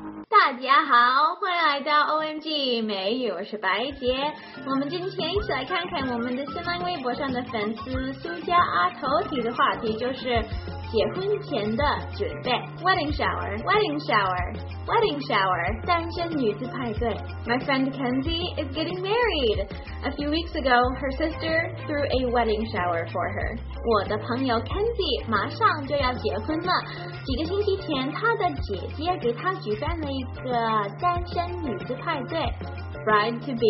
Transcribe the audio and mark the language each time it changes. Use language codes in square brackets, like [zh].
[zh] 大家好，欢迎来到 OMG 美语，我是白杰。我们今天一起来看看我们的新浪微博上的粉丝苏家阿头提的话题，就是结婚前的准备 ，wedding shower，wedding shower，wedding shower， 单身女子派对。 [en] My friend Kenzie is getting married. A few weeks ago, her sister threw a wedding shower for her. [zh] 我的朋友 Kenzie 马上就要结婚了。几个星期前，她的姐姐给她举办了一个单身女子派对。